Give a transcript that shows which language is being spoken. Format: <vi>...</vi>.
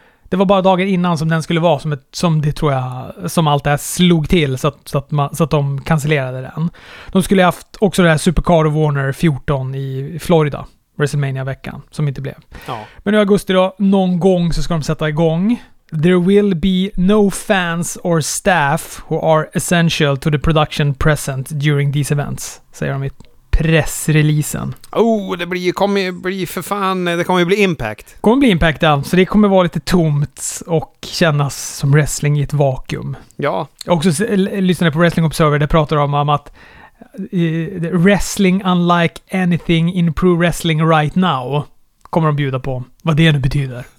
<sv>Det var bara dagen innan som den skulle vara som det tror jag som allt det här slog till så att de cancellerade den. De skulle ha haft också det här Supercard of Honor 14 i Florida, WrestleMania-veckan, som inte blev. Ja. Men i augusti då, någon gång så ska de sätta igång.</sv> <en>There will be no fans or staff who are essential to the production present during these events,</en> <sv>säger de i pressreleasen. Oh, det blir, kommer ju bli för fan, det kommer ju bli impact. Kommer bli impact, ja. Så det kommer vara lite tomt och kännas som wrestling i ett vakuum. Ja. Jag också lyssnade på Wrestling Observer, det pratar om att</sv> <en>wrestling unlike anything in pro wrestling right now</en> <sv>kommer de bjuda på. Vad det nu betyder.</sv>